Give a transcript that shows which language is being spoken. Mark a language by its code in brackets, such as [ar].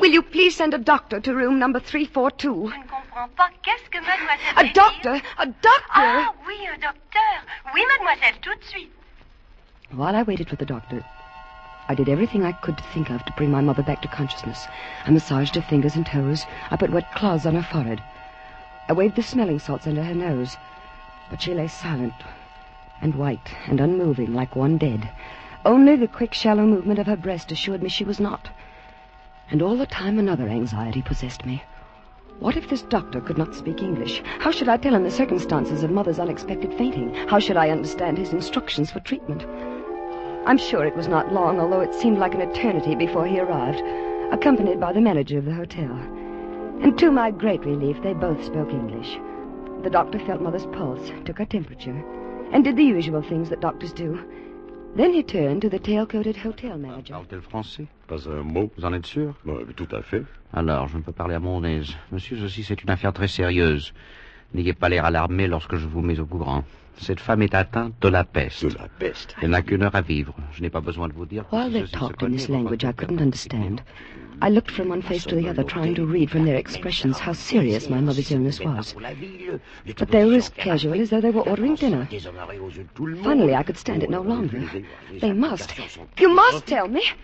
[en] Will you please send a doctor to room number 342? [fr] Je ne comprends pas. Qu'est-ce que mademoiselle désire? [en] A doctor? A doctor? [fr] Ah, oui, un docteur. Oui, mademoiselle, tout de suite. [en] While I waited for the doctor, I did everything I could to think of to bring my mother back to consciousness. I massaged her fingers and toes. I put wet cloths on her forehead. I waved the smelling salts under her nose. But she lay silent and white and unmoving like one dead. Only the quick, shallow movement of her breast assured me she was not. And all the time another anxiety possessed me. What if this doctor could not speak English? How should I tell him the circumstances of Mother's unexpected fainting? How should I understand his instructions for treatment? I'm sure it was not long, although it seemed like an eternity before he arrived, accompanied by the manager of the hotel. And to my great relief, they both spoke English. The doctor felt Mother's pulse, took her temperature, and did the usual things that doctors do. Then he turned to the tail-coated hotel manager. [fr] Parle-t-elle français? Pas un mot, vous en êtes sûr? Mais tout à fait. Alors, je ne peux parler à mon aise. Monsieur, ceci, c'est une affaire très sérieuse. N'ayez pas l'air alarmé lorsque je vous mets au courant. Cette femme est atteinte de la peste. De la peste? Elle n'a qu'une heure à vivre. Je n'ai pas besoin de vous dire... [en] While they talked in this language, I couldn't understand. I looked from one face to the other, trying to read from their expressions how serious my mother's illness was. But they were as casual as though they were ordering dinner. Finally, I could stand it no longer. They must. You must tell me!